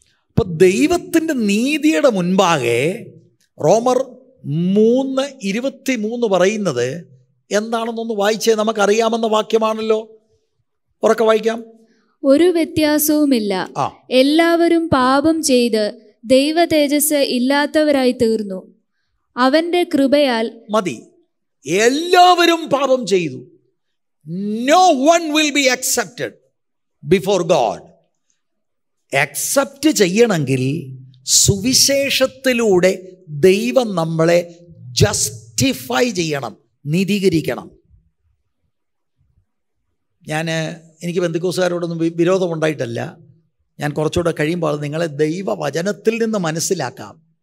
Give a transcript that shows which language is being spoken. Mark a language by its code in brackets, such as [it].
[ml] അപ്പോൾ ദൈവത്തിൻ്റെ നീതിയുടെ മുൻപാകെ റോമർ 3:23 പറയുന്നത് എന്താണെന്നൊന്ന് വായിച്ചേ, നമുക്കറിയാമെന്ന വാക്യമാണല്ലോ. ഉറക്കെ വായിക്കാം. ഒരു വ്യത്യാസവുമില്ല, എല്ലാവരും പാപം ചെയ്ത് ദൈവ തേജസ് ഇല്ലാത്തവരായി തീർന്നു, അവന്റെ കൃപയാൽ മതി. എല്ലാവരും പാപം ചെയ്തു. [en] No one will be accepted before God. [ml] Accept ചെയ്യണമെങ്കിൽ സുവിശേഷത്തിലൂടെ ദൈവം നമ്മളെ ജസ്റ്റിഫൈ ചെയ്യണം, നീതീകരിക്കണം. ഞാന് എനിക്ക് ബന്ധുക്കൂസുകാരോടൊന്നും വിരോധം ഉണ്ടായിട്ടല്ല. ഞാൻ കുറച്ചുകൂടെ കഴിയുമ്പോൾ നിങ്ങളെ ദൈവവചനത്തിൽ നിന്ന് മനസ്സിലാക്കാം.